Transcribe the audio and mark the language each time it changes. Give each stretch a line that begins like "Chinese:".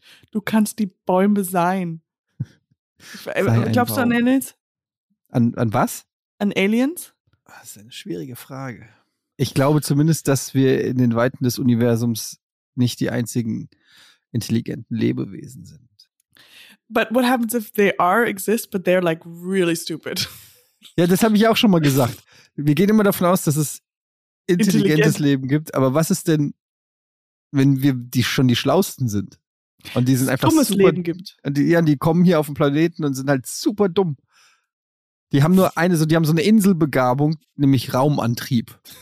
German: Du kannst die Bäume sein. Glaubst du an Aliens? An was? An Aliens? Das ist eine schwierige Frage. Ich glaube zumindest, dass wir in den Weiten des Universums nicht die einzigen intelligenten Lebewesen sind.
English: But what happens if they are exist, but they're like really stupid?
German: Ja, das habe ich auch schon mal gesagt. Wir gehen immer davon aus, dass es intelligentes Leben gibt. Aber was ist denn, wenn wir die Schlauesten sind? Und die sind einfach dummes super, Leben gibt. Und die kommen hier auf den Planeten und sind halt super dumm. Die haben nur die haben so eine Inselbegabung, nämlich Raumantrieb.